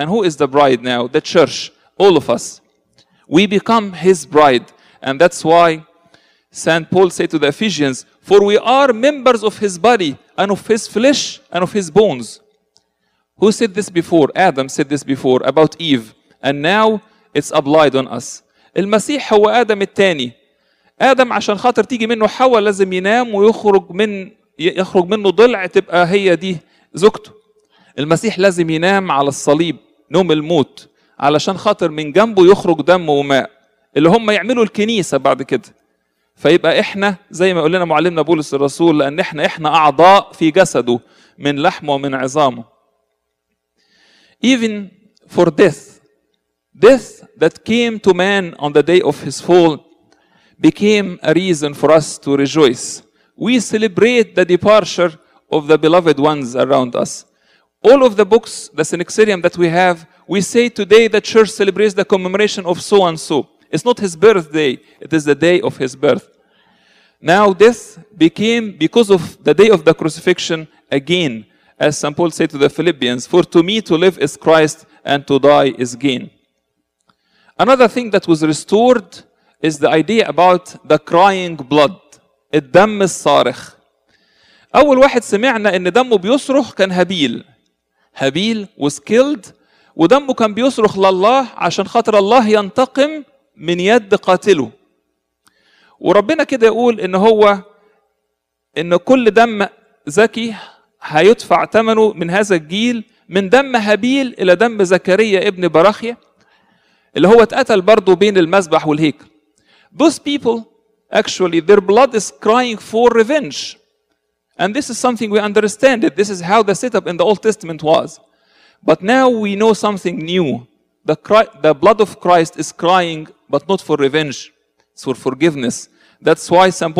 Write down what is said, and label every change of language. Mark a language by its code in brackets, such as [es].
[en] And who is the bride now? The church, all of us. We become his bride. And that's why St. Paul said to the Ephesians, for we are members of his body, and of his flesh, and of his bones. Who said this before? Adam said this before about Eve. And now it's applied on us. [ar] المسيح هو آدم الثاني. آدم عشان خاطر تيجي منه حواء لازم ينام ويخرج منه ضلع تبقى هي دي زوجته. المسيح لازم ينام على الصليب نوم الموت علشان خاطر من جنبه يخرج دم وماء اللي هم يعملوا الكنيسة بعد كده. فيبقى إحنا زي ما قلنا معلمنا بولس الرسول, لأن إحنا أعضاء في جسده من لحمه ومن عظامه. [en] Even for death, death that came to man on the day of his fall became a reason for us to rejoice. We celebrate the departure of the beloved ones around us. All of the books, the synaxarium that we have, we say today the church celebrates the commemoration of so and so. It's not his birthday, it is the day of his birth. Now death became, because of the day of the crucifixion, again, as St. Paul said to the Philippians, for to me to live is Christ and to die is gain. Another thing that was restored is the idea about the crying blood. [ar] الدم الصارخ. أول واحد سمعنا إن دمه بيصرخ كان هابيل. هابيل [en] was killed [ar] ودمه كان بيصرخ لله عشان خاطر الله ينتقم من يد قاتله. وربنا كده يقول إن هو إن كل دم زكي هيدفع ثمنه من هذا الجيل من دم هابيل إلى دم زكريا ابن براخية اللي هو اتقتل برضه بين المذبح والهيكل. [en] Those people actually their blood is crying for revenge. And this is something we understand it. This is how the setup in the Old Testament was. But now we know something new. The blood of Christ is crying, but not for revenge. It's for forgiveness. That's why St.